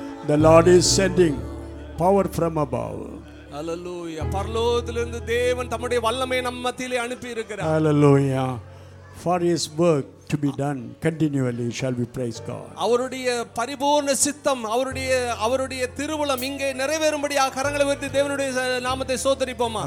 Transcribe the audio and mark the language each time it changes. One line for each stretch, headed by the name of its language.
English: The Lord is sending power from above. Hallelujah.
Tamil: பரலோகத்திலிருந்து தேவன் தம்முடைய வல்லமை நம்மத்திலே அனுப்பி இருக்கிறார்.
English: Hallelujah. For his work to be done continually, shall we praise God.
Tamil: அவருடைய பரிபூர்ண சித்தம், அவருடைய திருவுளம் இங்கே நிறைவேறும்படியாக கரங்களை உயர்த்தி தேவனுடைய நாமத்தை ஸ்தோத்திரிப்போமா.